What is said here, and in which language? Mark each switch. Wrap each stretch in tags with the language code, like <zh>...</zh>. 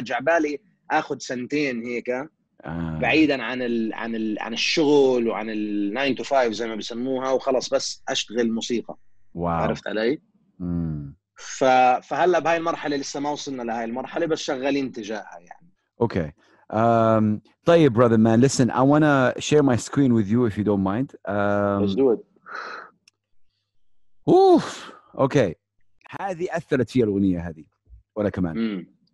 <ar>جعبالي أخذ سنتين هيك بعيدا عن الـ عن الـ عن الشغل وعن ال 9 to 5 زي ما بيسموها، وخلص بس اشتغل موسيقى. واو. عرفت علي؟ فهلا بهاي المرحله لسه ما وصلنا لهاي المرحله، بس شغالين تجاهها يعني. اوكي. طيب</ar> <en>brother man listen I want to share my screen with you if you don't mind. Let's do it.</en> <ar>اوف اوكي، هذه اثرت في الاغنيه هذه ولا كمان.</ar>